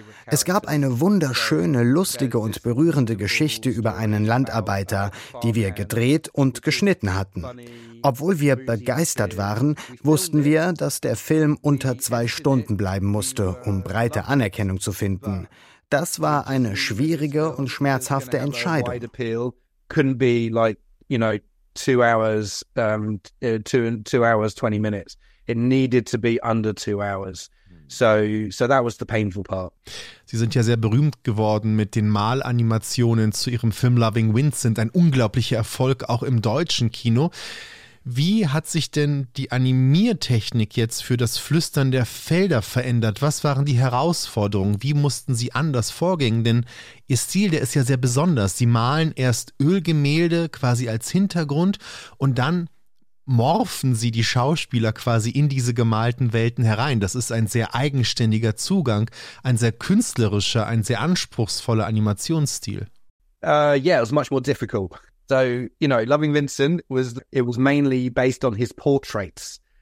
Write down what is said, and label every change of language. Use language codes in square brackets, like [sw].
[de] Es gab eine wunderschöne, lustige und berührende Geschichte über einen Landarbeiter, die wir gedreht und geschnitten hatten. Obwohl wir begeistert waren, wussten wir, dass der Film unter 2 Stunden bleiben musste, um breite Anerkennung zu finden. Das war eine schwierige und schmerzhafte Entscheidung. [en] Couldn't be like, you know, 2 hours, 2 hours, 20 minutes. It needed to be under 2 hours. So that was the painful part. [de] Sie sind ja sehr berühmt geworden mit den Malanimationen zu ihrem Film Loving Vincent, ein unglaublicher Erfolg auch im deutschen Kino. Wie hat sich denn die Animiertechnik jetzt für das Flüstern der Felder verändert? Was waren die Herausforderungen? Wie mussten Sie anders vorgehen? Denn Ihr Stil, der ist ja sehr besonders. Sie malen erst Ölgemälde quasi als Hintergrund und dann morphen Sie die Schauspieler quasi in diese gemalten Welten herein. Das ist ein sehr eigenständiger Zugang, ein sehr künstlerischer, ein sehr anspruchsvoller Animationsstil. [en] Yeah, it was much more difficult. So, you know, Loving Vincent was mainly based on his portraits.